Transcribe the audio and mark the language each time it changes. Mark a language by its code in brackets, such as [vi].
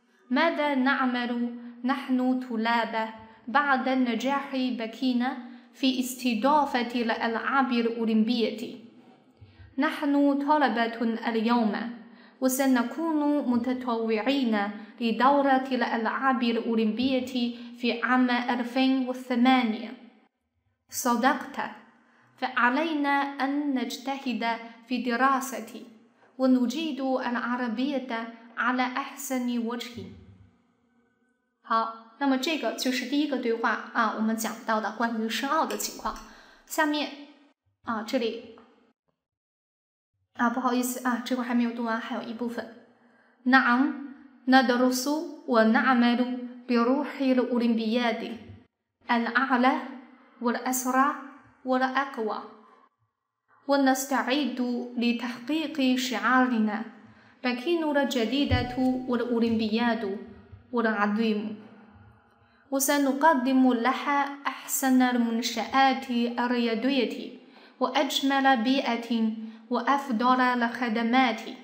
[ar] ماذا نعمل نحن طلاب بعد نجاح بكين في استضافة الألعاب الأولمبية؟ نحن طلبة اليوم وسنكون متطوعين لدورة الألعاب الأولمبية في عام 2008. صدقت، فعلينا أن نجتهد في دراسة ونجيد العربية على أحسن وجه. [zh] 好，那么这个就是第一个对话啊，我们讲到的关于申奥的情况。下面啊，这里啊，不好意思啊，这块还没有读完，还有一部分。 [ar] نعم ندرس ونعمل بروح الأولمبياد الأعلى والأسرع والأقوى ونستعد لتحقيق شعارنا بكين الجديدة والأولمبياد والعظيم وسنقدم لها أحسن المنشآت الرياضية وأجمل بيئة وأفضل الخدمات